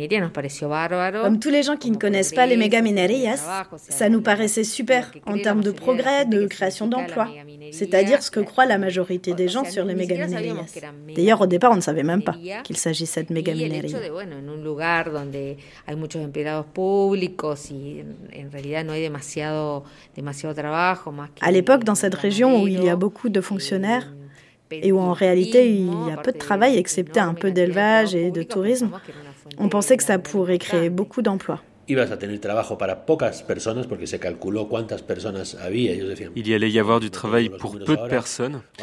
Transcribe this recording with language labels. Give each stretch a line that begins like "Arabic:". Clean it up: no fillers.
French: Comme tous les gens qui ne connaissent pas les mégaminerías, ça nous paraissait super en termes de progrès, de création d'emplois, c'est-à-dire ce que croit la majorité des gens sur les mégaminerías. D'ailleurs, au départ, on ne savait même pas qu'il s'agissait de mégaminerías.
Spanish: En un lugar donde hay muchos empleados públicos y en realidad no hay demasiado trabajo.
French: À l'époque, dans cette région où il y a beaucoup de fonctionnaires, et où en réalité il y a peu de travail, excepté un peu d'élevage et de tourisme, on pensait que ça pourrait créer beaucoup d'emplois. Il y allait y avoir du travail pour peu de personnes.